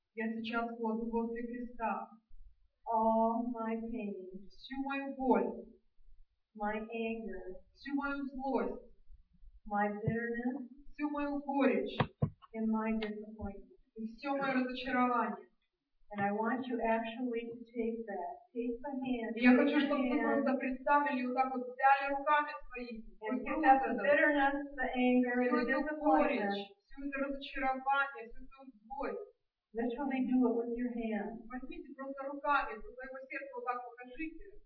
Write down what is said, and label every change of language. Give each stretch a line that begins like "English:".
Russian: Я сейчас кладу возле креста.
English: All my pain.
Russian: Всю мою боль.
English: My anger.
Russian: Всю мою злость.
English: My bitterness.
Russian: Всю мою горечь.
English: And my disappointment.
Russian: И все мое разочарование.
English: And I want you actually to take that. Take the hand.
Russian: Я хочу, чтобы вы просто представили вот так вот, взяли руками свои.
English: Bitterness, the anger, the disappointment.
Russian: Все это разочарование, все это злость.
English: Literally do it with your hands.
Russian: Возьмите просто руками, со своего сердца вот так покажите.